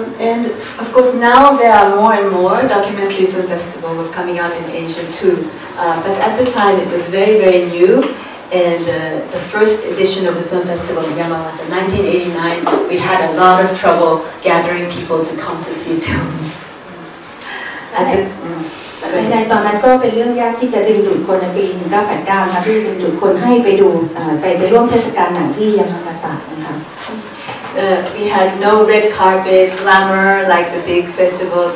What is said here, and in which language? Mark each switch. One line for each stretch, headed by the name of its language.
English: And of course now there are more and more documentary film festivals coming out in Asia too. But at the time it was very very new, and the first edition of the film festival in Yamagata, 1989, we had a lot of trouble gathering people to come to see films.
Thai: ในตอนนั้นก็เป็นเรื่องยากที่จะดึงดูดคนในปี1989นะที่ดึงดูดคนให้ไปดูไปร่วมเทศกาลหนังที่ยามากาตะนะคะ
English: We had no red carpet glamour like the big festivals.